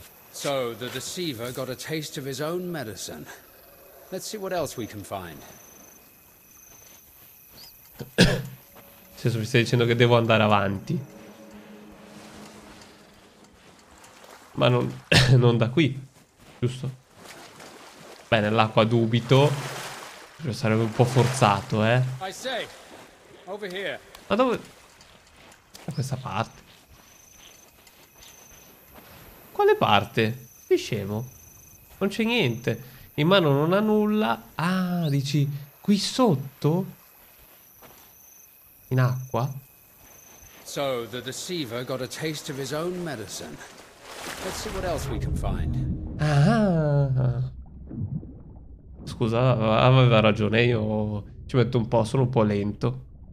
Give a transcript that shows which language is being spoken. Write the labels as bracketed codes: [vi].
[en] So the deceiver got a taste of his own medicine. Let's see what else we can find. [it] Cioè, mi stai dicendo che devo andare avanti. Ma non, non da qui, giusto? Bene, l'acqua dubito. Sarebbe un po' forzato, eh. [en] I say, over here. [it] Ma dove? Da questa parte. Quale parte? Che scemo. Non c'è niente. In mano non ha nulla. Ah, dici qui sotto? In acqua? [en] So the deceiver got a taste of his own medicine. Let's see what else we can find. Ah. [it] Scusa, aveva ragione, io ci metto un po', sono un po' lento.